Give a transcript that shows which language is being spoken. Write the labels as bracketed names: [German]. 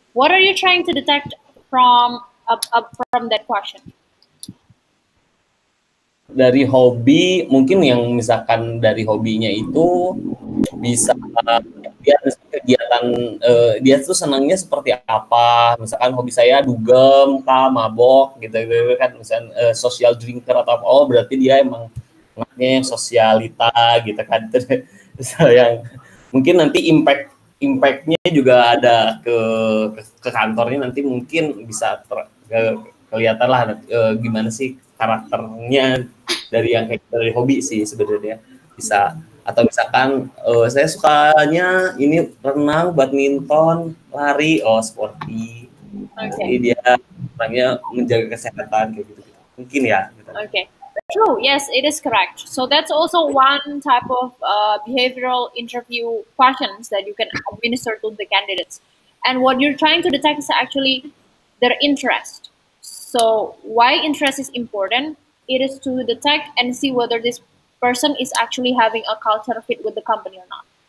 [English] What are you trying to detect from that question? [Indonesian] Dari hobi, mungkin yang misalkan dari hobinya itu bisa dia kegiatan, dia tuh senangnya seperti apa. Misalkan hobi saya dugem, mabok gitu kan, misalkan [English] social drinker [Indonesian] atau apa. Oh, berarti dia emang anaknya yang sosialita gitu kan. Yang mungkin nanti impact-nya juga ada ke kantornya, nanti mungkin bisa kelihatan lah gimana sih karakternya dari yang kayak dari hobi sih sebenarnya. Bisa, atau misalkan saya sukanya ini renang, badminton, lari, sporty. [English] Okay. [Indonesian] Jadi dia orangnya menjaga kesehatan kayak gitu. Mungkin ya. Gitu. [English] Okay. True, yes, it is correct. So that's also one type of behavioral interview questions that you can administer to the candidates. And what you're trying to detect is actually their interest. So why interest is important? It is to detect and see whether this person is actually having a culture fit with the company or not.